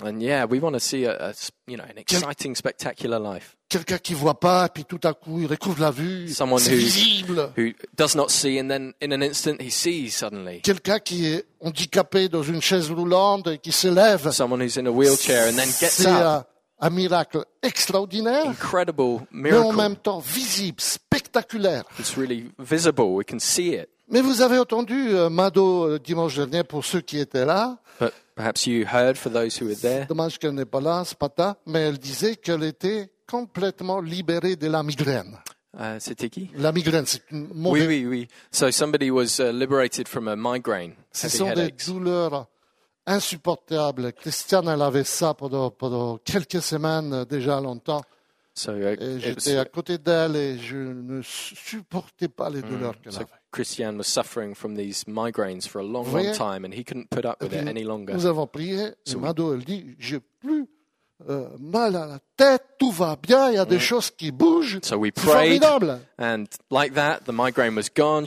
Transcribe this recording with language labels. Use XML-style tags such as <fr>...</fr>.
<en>And yeah, we want to see an exciting, spectacular life.</en> <fr>Quelqu'un qui voit pas, puis tout à coup il recouvre la vue.</fr> <en>Someone</en> <fr>c'est visible.</fr> <en>Who does not see, and then in an instant he sees suddenly.</en> <fr>Quelqu'un qui est handicapé dans une chaise roulante et qui se lève.</fr> <en>Someone who's in a wheelchair and then gets</en> <fr>c'est</fr> <en>up.</en> <fr>C'est un miracle extraordinaire.</fr> <en>Incredible miracle.</en> <fr>Mais en même temps visible, spectaculaire.</fr> <en>It's really visible. We can see it.</en> <fr>Mais vous avez entendu Mado dimanche dernier pour ceux qui étaient là.</fr> <en>But perhaps you heard for those who were there.</en> <fr>Dommage qu'elle n'est pas là, Spata, mais elle disait qu'elle était complètement libérée de la migraine. C'était qui? La migraine, c'est une mauvaise. Oui, oui, oui.</fr> <en>So somebody was liberated from a migraine.</en> <fr>Ce sont des douleurs insupportables. Christiane, elle avait ça pendant quelques semaines déjà longtemps. Et j'étais à côté d'elle et je ne supportais pas les douleurs qu'elle avait.</fr> <en>Christian was suffering from these migraines for a long, long time, and he couldn't put up with it any longer.</en> <fr>Nous avons prié. So Mado, elle dit, j'ai plus mal à la tête, tout va bien, il y a des choses qui bougent.</fr> <en>So we prayed,</en> <fr>formidable.</fr> <en>And like that, the migraine was gone.</en>